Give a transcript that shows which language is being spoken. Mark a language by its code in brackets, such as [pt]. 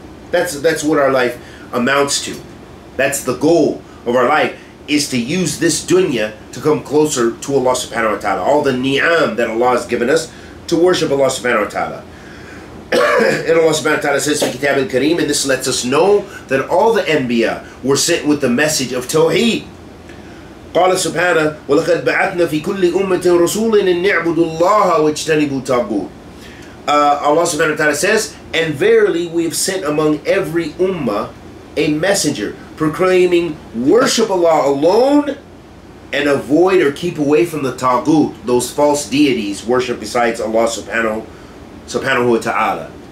[en] That's what our life amounts to. That's the goal of our life, is to use this dunya to come closer to Allah subhanahu wa ta'ala. All the ni'am that Allah has given us, to worship Allah subhanahu wa ta'ala. And Allah subhanahu wa ta'ala says in Kitab al-Kareem, and this lets us know that all the Anbiya were sent with the message of Tawheed. [ar] قال سبحانه ولقد بعثنا في كل أمة رسولا نعبد الله واجتنب الطاغوت. [en] Allah subhanahu wa ta'ala says, and verily we have sent among every ummah a messenger proclaiming worship Allah alone and avoid or keep away from the taghut, those false deities worshiped besides Allah subhanahu wa ta'ala.